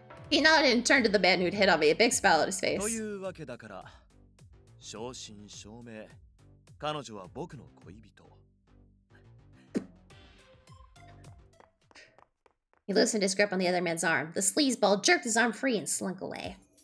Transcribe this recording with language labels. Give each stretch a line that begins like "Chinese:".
English: He nodded and turned to the man who'd hit on me, a big smile on his face.
Japanese: というわけだから、正真正銘、彼女は僕の恋人。
English: He loosened his grip on the other man's arm. The sleazeball jerked his arm free and slunk away.